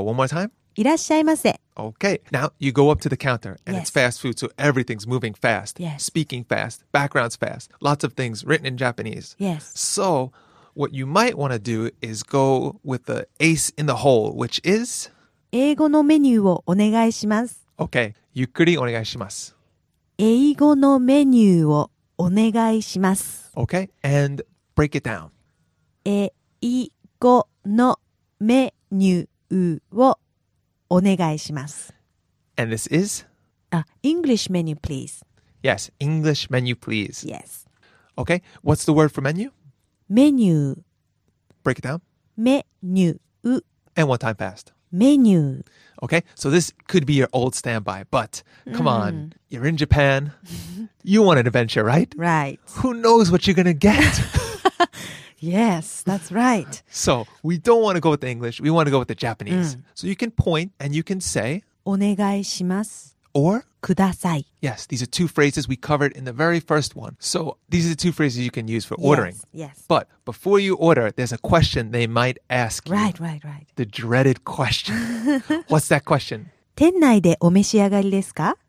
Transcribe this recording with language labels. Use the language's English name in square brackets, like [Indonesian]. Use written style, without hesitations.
[English] One more time. [Japanese] いらっしゃいませ. [English] Okay, now you go up to the counter and yes. it's fast food, so everything's moving fast, yes. speaking fast, background's fast, lots of things written in Japanese. Yes. So what you might want to do is go with the ace in the hole, which is? [Japanese] 英語のメニューをお願いします. Okay, ゆっくりお願いします. 英語のメニューをお願いします。 [English] Okay, and break it down. [Japanese] え、いごのメニューをお願いします。 [English] And this is? English menu, please. Yes, English menu, please. Yes. Okay, what's the word for menu? [Japanese] メニュー。 [English] Break it down. [Japanese] メニュー。 [English] And what time passed? [Japanese] メニュー。 [English] Okay, so this could be your old standby, but come on, you're in Japan. You want an adventure, right? Right. Who knows what you're going to get? Yes, that's right. So we don't want to go with the English. We want to go with the Japanese. So you can point and you can say, [Japanese] お願いします。 [English] Or, [Japanese] ください。 [English] Yes, these are two phrases we covered in the very first one. So these are the two phrases you can use for ordering. Yes. But before you order, there's a question they might ask you. Right, right, right. The dreaded question. What's that question? [Japanese] 店内でお召し上がりですか?